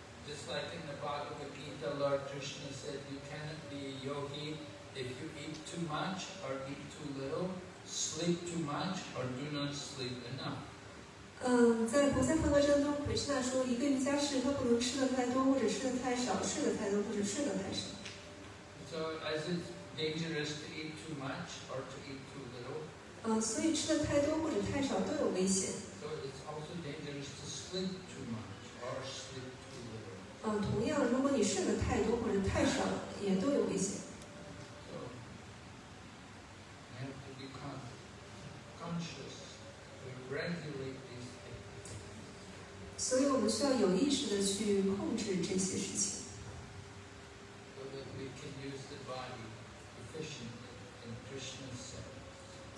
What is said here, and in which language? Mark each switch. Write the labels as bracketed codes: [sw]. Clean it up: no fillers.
[en] Just like in the Bhagavad Gita, Lord Krishna said, you cannot be a yogi if you eat too much or eat too little, sleep too much or do not sleep enough. [zh] 在《菩萨蕃伽章》中 ，Krishna 说，一个瑜伽士他不能吃得太多，或者吃得太少；睡得太多，或者睡得太少。 [en] So is it dangerous to eat too much or to eat too little? [zh] 所以吃得太多或者太少都有危险。 [en] Sleep too much or sleep too little. [zh] 同样，如果你睡得太多或者太少，也都有危险。 [en] So, you have to be conscious to regulate these things. [zh] 所以我们需要有意识的去控制这些事情。 [en] So that we can use the body efficiently in Krishna's service.